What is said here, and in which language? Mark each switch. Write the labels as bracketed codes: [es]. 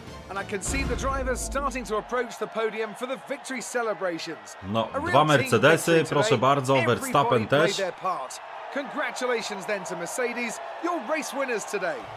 [en] And I can see the drivers starting to approach the podium for the victory celebrations. [pl] No, dwa Mercedesy, proszę bardzo, Verstappen też. [en] Congratulations then to Mercedes, your race winners today.